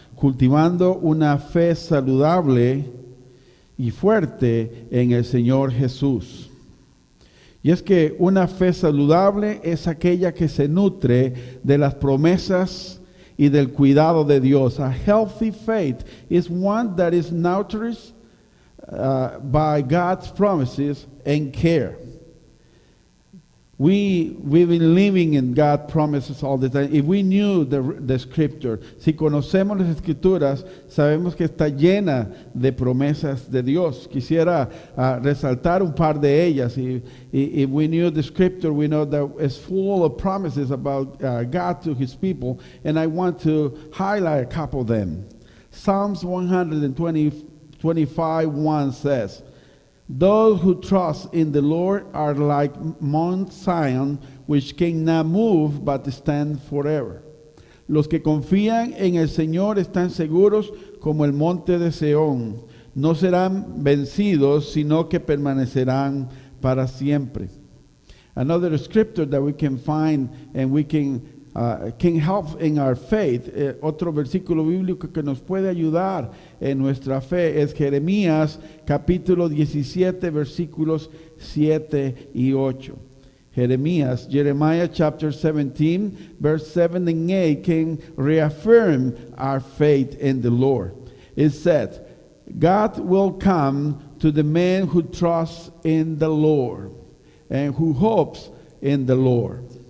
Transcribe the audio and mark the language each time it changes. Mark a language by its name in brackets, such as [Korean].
[Spanish] Cultivando una fe saludable y fuerte en el Señor Jesús. Y es que una fe saludable es aquella que se nutre de las promesas y del cuidado de Dios. [English] A healthy faith is one that is nourished by God's promises and care. We've been living in God's promises all the time. If we knew the scripture, [Spanish] si conocemos las escrituras, sabemos que está llena de promesas de Dios. Quisiera resaltar un par de ellas. [English] If we knew the scripture, we know that it's full of promises about God to his people. And I want to highlight a couple of them. Psalms 125:1 says, "Those who trust in the Lord are like Mount Zion, which cannot move but stand forever." [Spanish] Los que confían en el Señor están seguros como el monte de Sion. No serán vencidos, sino que permanecerán para siempre. [English] Another scripture that we can find and we can help in our faith. [Spanish] Otro versículo bíblico que nos puede ayudar en nuestra fe es Jeremías capítulo 17 versículos 7 y 8. [English] Jeremiah chapter 17 verse 7 and 8 can reaffirm our faith in the Lord. It said, "God will come to the man who trusts in the Lord and who hopes in the Lord.